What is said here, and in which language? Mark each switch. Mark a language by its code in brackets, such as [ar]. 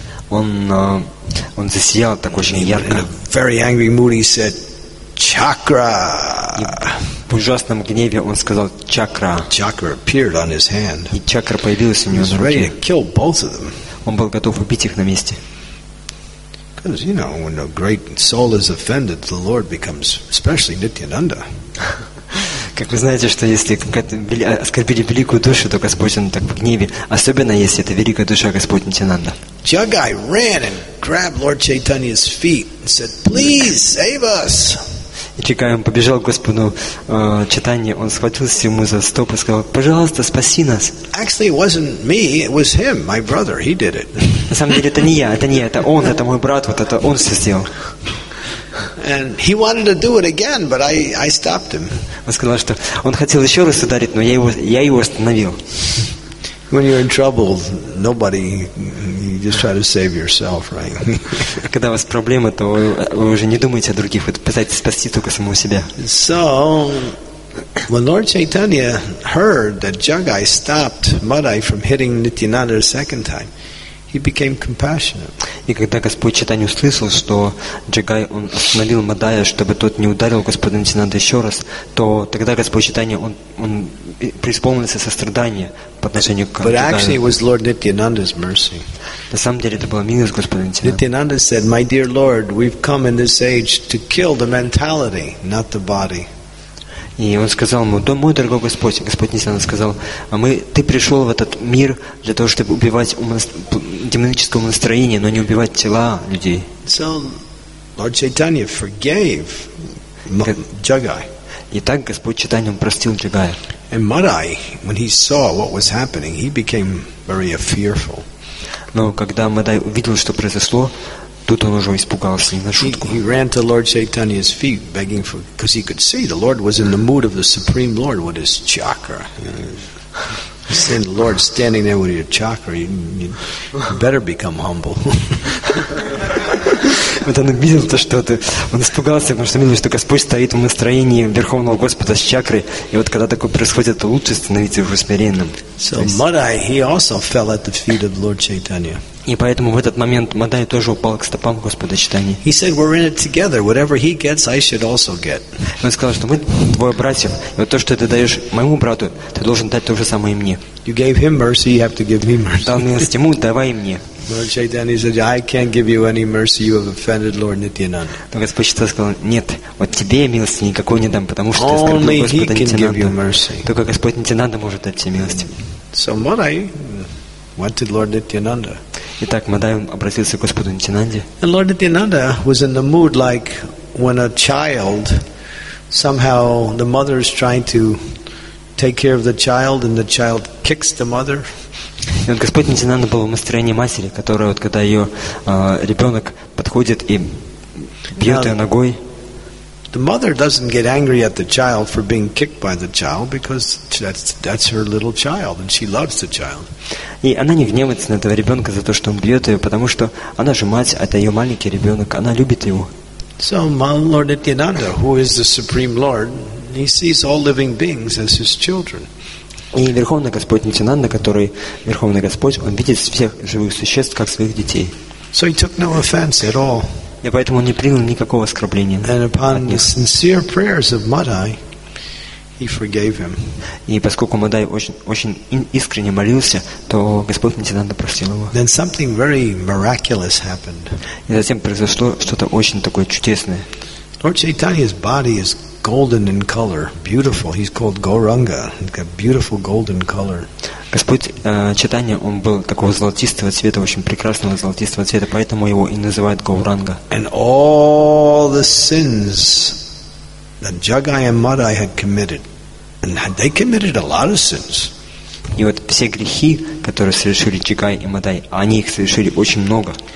[ru] Он засиял так очень ярко. [en] Very angry mood, he said, "Chakra." [ru] В ужасном гневе он сказал "чакра". [en] Chakra appeared on his hand. [ru] И чакра появилась у него на руке. [en] He was ready to kill both of them. [ru] Он был готов убить их на месте. [en] Because you know, when a great soul is offended, the Lord becomes, especially Nityananda. [ru] Как вы знаете, что если оскорбили великую душу, то Господь он так в гневе. Особенно если это великая душа Господь Нитинанда. [en] Jagai ran and grabbed Lord Chaitanya's feet and said, "Please save us." [ru] И Jagai он побежал к Господу Чайтанье, он схватился ему за стоп и сказал, "Пожалуйста, спаси нас." [en] Actually, it wasn't me, it was him, my brother. He did it. [ru] На самом деле это не я, это не я, это он, это мой брат, вот это он все сделал. [en] And he wanted to do it again, but I stopped him. [ru] Он сказал, что он хотел еще раз ударить, но я его остановил. [en] When you're in trouble, nobody, you just try to save yourself, right? [ru] Когда у вас проблема, то вы уже не думаете о других, вы пытаетесь спасти только самого себя. [en] So, when Lord Chaitanya heard that Jagai stopped Madai from hitting Nityananda a second time, he became compassionate. [ru] И когда Господь Чайтанья услышал, что Джагай он остановил Мадая, чтобы тот не ударил Господа Нитинанду еще раз, то тогда Господь Чайтанья он преисполнился сострадания по отношению к Джагаю. [en] But actually it was Lord Nityananda's mercy. [ru] На самом деле это была милость Господа Нитинанды. [en] Nityananda said, "My dear Lord, we've come in this age to kill the mentality, not the body." [ru] И он сказал ему, "Да, мой дорогой Господь, Господь Нитинанда сказал, ты пришел в этот мир для того, чтобы убивать демоническое настроение, но не убивать тела людей." [en] So, Lord Chaitanya forgave Jagai. [ru] И так Господь Чайтанья простил Джагая. [en] And Madai, when he saw what was happening, he became very fearful. [ru] Но когда Мадай увидел, что произошло, тут он уже испугался, не на шутку. [en] He ran to Lord Chaitanya's feet, begging for, because he could see the Lord was in the mood of the Supreme Lord with his chakra. He said, "The Lord standing there with your chakra, you better become humble." [ru] Вот он увидел то, что ты. Он испугался, потому что видно, что Господь стоит в настроении Верховного Господа с чакрой. И вот когда такое происходит, то лучше становиться уже смиренным. [en] So Madai, he also fell at the feet of Lord Chaitanya. [ru] И поэтому в этот момент Мадай тоже упал к стопам Господа Чайтаньи. [en] He said, "We're in it together. Whatever he gets, I should also get." [ru] Он сказал, что мы двое братьев, и вот то, что ты даешь моему брату, ты должен дать то же самое и мне. [en] You gave him mercy, you have to give me mercy. [ru] Дал милость ему, давай и мне. [en] Lord Chaitanya said, "I can't give you any mercy. You have offended Lord Nityananda." [ru] Господь Чайтанья сказал, нет, вот тебе милости никакой не дам, потому что ты оскорбил Господа Нитьянанда. Только Господь Нитьянанда может дать тебе милость. [en] So Мадай went to Lord Nityananda. [ru] Итак, Мадай обратился к Господу Нитьянанде. [en] And Lord Nityananda was in the mood like when a child, somehow the mother is trying to take care of the child and the child kicks the mother. [ru] И вот Господь Нитьянанда был в настроении матери, которая вот когда ее ребенок подходит и бьет ее ногой. [en] The mother doesn't get angry at the child for being kicked by the child because that's her little child and she loves the child. [ru] И она не гневается на этого ребенка за то, что он бьет ее, потому что она же мать, это ее маленький ребенок, она любит его. [en] So Lord Nityananda, who is the Supreme Lord, he sees all living beings as his children. [ru] И Верховный Господь Нитьянанда, который Верховный Господь, он видит всех живых существ как своих детей. [en] So he took no offense at all. [ru] И поэтому он не принял никакого оскорбления. [en] And upon the sincere prayers of Madai, he forgave him. [ru] И поскольку Мадай очень искренне молился, то Господь Нитьянанда простил его. [en] Then something very miraculous happened. [ru] И затем произошло что-то очень такое чудесное. [en] Lord Chaitanya's body is golden in color, beautiful. He's called Gauranga. He's got beautiful golden color. [ru] Господь Чайтанья, он был такого золотистого цвета, очень прекрасного золотистого цвета, поэтому его и называют Гауранга. [en] And all the sins that Jagai and Madai had committed, and they committed a lot of sins. [ru] И вот все грехи, которые совершили Джагай и Мадай, они их совершили очень много.